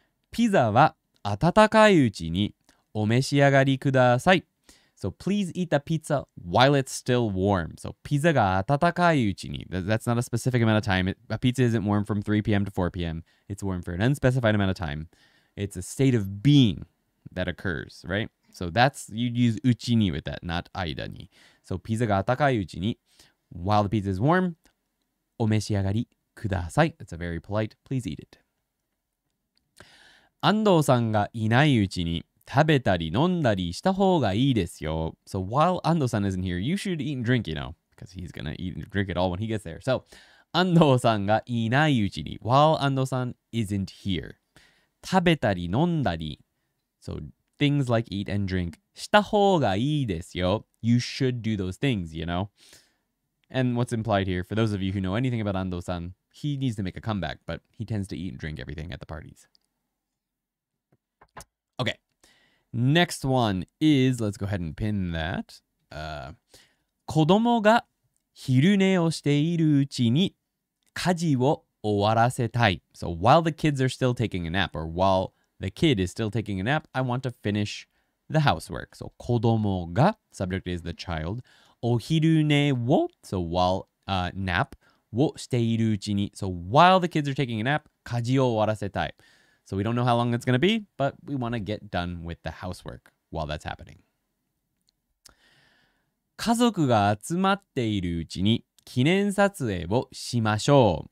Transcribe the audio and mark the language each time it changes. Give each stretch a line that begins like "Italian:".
Japanese: ピザは温かいうちにお召し上がりください。
English: So please eat the pizza while it's still warm. So
Japanese: pizza が温かいうちに。
English: That's not a specific amount of time. A pizza isn't warm from 3 p.m. to 4 p.m. It's warm for an unspecified amount of time. It's a state of being that occurs, right? So that's, you'd use うちにwith that, not 間に. So
Japanese: pizza が温かいうちに。
English: While the pizza is warm,
Japanese: お召し上がりください。
English: That's a very polite, please eat it.
Japanese: 安藤さんがいないうちに。食べたり飲んだりした方がいいですよ。
English: So while Ando-san isn't here, you should eat and drink, you know, because he's gonna eat and drink it all when he gets there. So,
Japanese: Ando-san がいないうちに、
English: while Ando-san isn't here,
Japanese: 食べたり飲んだり、
English: so things like eat and drink,
Japanese: した方がいいですよ。
English: You should do those things, you know. And what's implied here, for those of you who know anything about Ando-san, he needs to make a comeback, but he tends to eat and drink everything at the parties. Okay. Next one is, let's go ahead and pin that.
Japanese: 子供が昼寝をしているうちに家事を終わらせたい。
English: So while the kids are still taking a nap, or while the kid is still taking a nap, I want to finish the housework. So
Japanese: 子供が、
English: subject is the child,
Japanese: お昼寝を、
English: so while nap,
Japanese: をしているうちに。
English: So while the kids are taking a nap,
Japanese: 家事を終わらせたい。
English: So we don't know how long it's going to be, but we want to get done with the housework while that's happening.
Japanese: 家族が集まっているうちに記念撮影をしましょう。